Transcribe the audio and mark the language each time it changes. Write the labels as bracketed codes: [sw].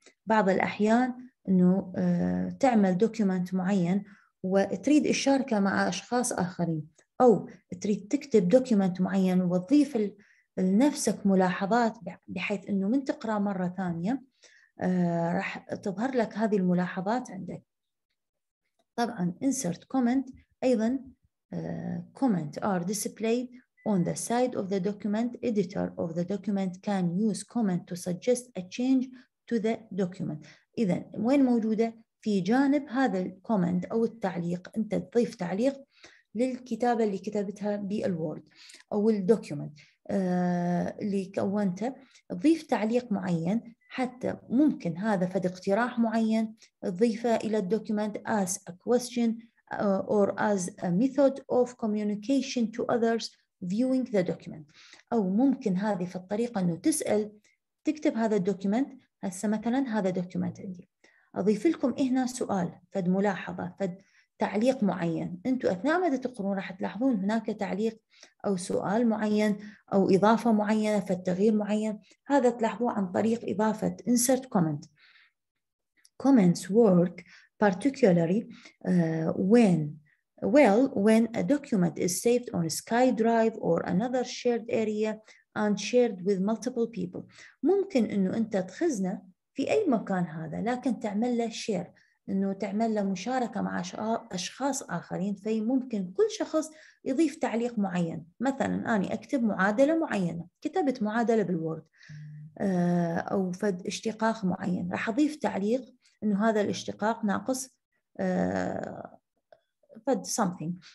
[ar] بعض الأحيان أنه تعمل دوكيومنت معين وتريد إشاركه مع أشخاص آخرين، أو تريد تكتب دوكيومنت معين وتضيف لنفسك ملاحظات، بحيث أنه من تقرأ مرة ثانية راح تظهر لك هذه الملاحظات عندك. [en] طبعاً insert comment أيضاً comment are displayed on the side of the document. Editor of the document can use comment to suggest a change to the document. [ar] إذن وين موجودة؟ في جانب هذا الكومنت أو التعليق، أنت تضيف تعليق للكتابة اللي كتبتها بالوورد أو الدوكيومنت اللي كونته، تضيف تعليق معين حتى ممكن هذا فد اقتراح معين تضيفه إلى الدوكيومنت [en] as a question or as a method of communication to others viewing the document. [ar] أو ممكن هذه في الطريقة أنه تسأل، تكتب هذا الدوكيومنت، هسه مثلا هذا دوكيومنت عندي، أضيف لكم هنا سؤال، فد ملاحظة، فد تعليق معين. أنتوا أثناء ما تقرون راح تلاحظون هناك تعليق أو سؤال معين أو إضافة معينة، فالتغيير معين هذا تلاحظوه عن طريق إضافة insert comment. [en] Comments work particularly when a document is saved on SkyDrive or another shared area and shared with multiple people. [ar] ممكن إنه أنت تخزنه في أي مكان هذا، لكن تعمل له share، إنه تعمل له مشاركة مع أشخاص آخرين، في ممكن كل شخص يضيف تعليق معين. مثلاً أنا أكتب معادلة معينة، كتبت معادلة بالوورد أو فد اشتقاق معين، راح أضيف تعليق إنه هذا الاشتقاق ناقص فد something.